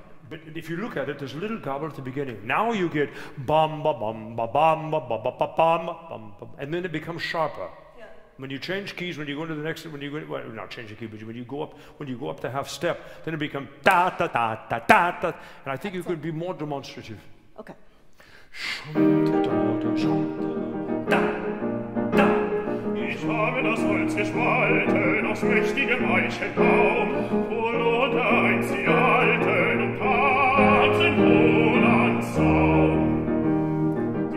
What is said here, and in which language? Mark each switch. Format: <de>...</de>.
<en>But if you look at it, there's a little gobble at the beginning. Now you get bam ba bam ba bam ba ba ba ba bam bam, and then it becomes sharper. When you change keys, when you go into the next, when you go, well, not change the key, but when you go up the half step, then it becomes da da da da da da, and I think you could be more demonstrative. Okay. Schulte, da, da, schulte, da, da.</en> <de>Ich habe das Holz gespalten aus mächtigem Eichenbaum, worunter einst die Alten umtanzten Wodanssaum.</de>